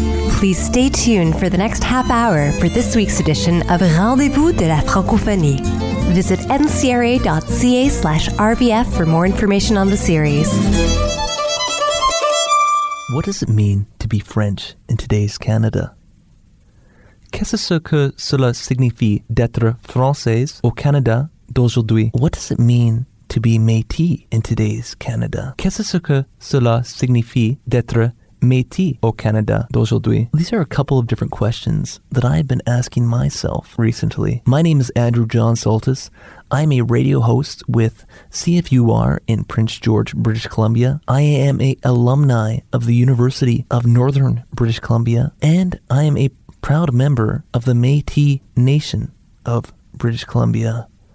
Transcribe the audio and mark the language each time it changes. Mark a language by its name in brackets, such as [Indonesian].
[English] Please stay tuned for the next half hour for this week's edition of Rendez-vous de la Francophonie. Visit ncra.ca/RVF for more information on the series. What does it mean to be French in today's Canada? [French] Qu'est-ce que cela signifie d'être française au Canada d'aujourd'hui? [English] What does it mean to be Métis in today's Canada? [French] Qu'est-ce que cela signifie d'être Métis au Canada d'aujourd'hui? [English] These are a couple of different questions that I've been asking myself recently. My name is Andrew John Saltis. I'm a radio host with CFUR in Prince George, British Columbia. I am an alumni of the University of Northern British Columbia, and I am a proud member of the Métis Nation of British Columbia.